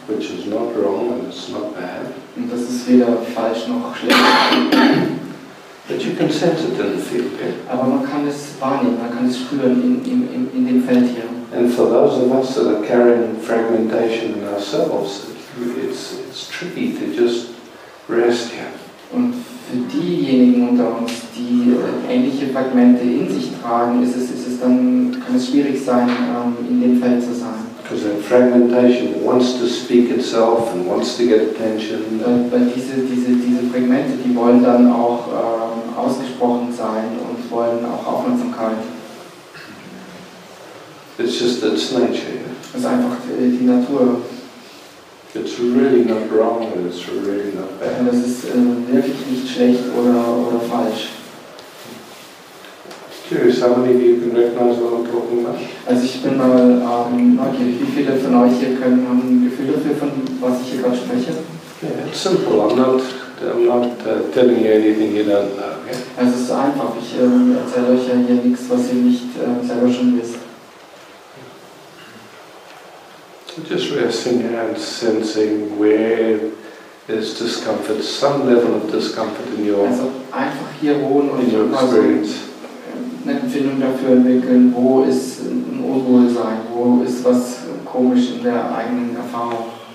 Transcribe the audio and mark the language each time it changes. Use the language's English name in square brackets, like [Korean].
[English] Which is not wrong and it's not bad. [German] Und das ist weder falsch noch schlecht. [English] But you can sense it in the field. [German] Aber man kann es wahrnehmen, man kann es spüren in dem Feld hier. [English] And for those of us that are carrying fragmentation in ourselves, it's tricky to just rest here. [German] Und für diejenigen unter uns, die ähnliche Fragmente in sich tragen, kann es schwierig sein, in dem Feld zu sein. [English] Because that fragmentation wants to speak itself and wants to get attention. [German] Weil diese Fragmente, die wollen dann auch ausgesprochen sein und wollen auch Aufmerksamkeit. [English] It's just its nature. [German] Es ist einfach die Natur. [English] It's really not wrong and it's really not bad. [German] Und das ist wirklich nicht schlecht oder falsch. [English] Curious, how many of you can recognize what I'm talking about? [German] Also ich bin mal neugierig, wie viele von euch hier haben ein Gefühl dafür, von was ich hier gerade spreche? [English] Yeah, it's simple. I'm not telling you anything you don't know. Okay? [German] Also es ist einfach. Ich erzähle euch ja hier nichts, was ihr nicht selber schon wisst. [English] Just resting and sensing where is discomfort, some level of discomfort in your [German] experience. Also einfach hier wohnen und [English] in your experience. [German] Eine Empfindung dafür entwickeln, wo ist ein Unwohlsein, wo ist was komisch in der eigenen Erfahrung.